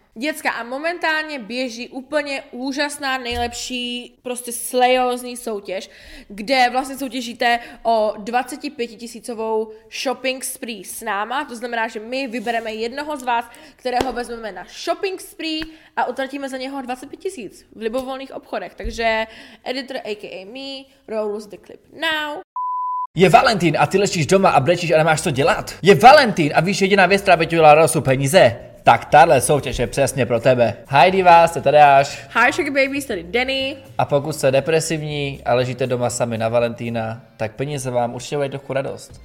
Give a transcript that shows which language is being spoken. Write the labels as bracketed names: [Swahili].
[Czech] Děcka, a momentálně běží úplně úžasná, nejlepší, prostě slejózní soutěž, kde vlastně soutěžíte o 25 000 shopping spree s náma. To znamená, že my vybereme jednoho z vás, kterého vezmeme na shopping spree a utratíme za něho 25 000 v libovolných obchodech. Takže [English] editor aka me, roll the clip now. [Czech] Je Valentín a ty ležíš doma a brečíš a nemáš co dělat. Je Valentín a víš jediná věc, která by ti udělala radost, peníze. Tak tahle soutěž je přesně pro tebe. [English] Hi divas, [Czech] to tady až. [English] Hi sugar babies, [Czech] tady Denny. A pokud jste depresivní a ležíte doma sami na Valentína, tak peníze vám určitě mají trochu radost.